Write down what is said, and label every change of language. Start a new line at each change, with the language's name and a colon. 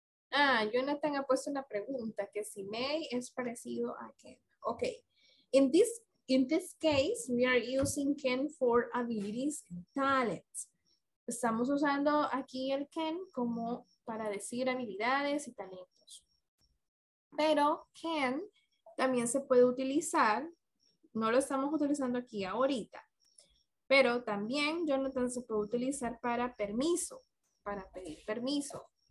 Spanish: Ah, Jonathan ha puesto una pregunta que si may es parecido a can.
English: Okay, in this case, we are using can for abilities and talents.
Spanish: Estamos usando aquí el can como para decir habilidades y talentos. Pero can también se puede utilizar, no lo estamos utilizando aquí ahorita, pero también Jonathan se puede utilizar para permiso, para pedir permiso.